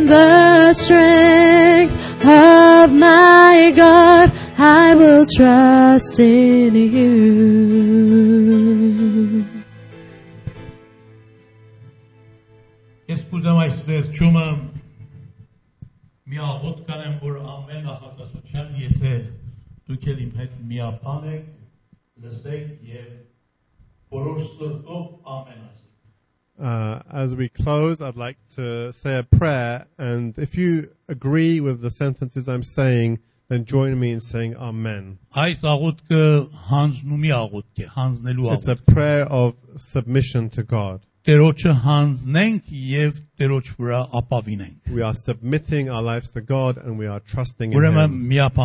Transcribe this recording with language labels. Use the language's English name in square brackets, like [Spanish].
[English] of my God, I will trust in you. [Armenian] Ես կուզեմ այս վերջումը միաղոտ կանեմ, որ ամեն ահակասության, եթե դուք էլ իմ հետ միապան եք, լսեք և որոշ սրտով ամեն ասեք. [English] As we close, I'd like to say a prayer, and if you agree with the sentences I'm saying, then join me in saying Amen. It's a prayer of submission to God. We are submitting our lives to God and we are trusting in Him.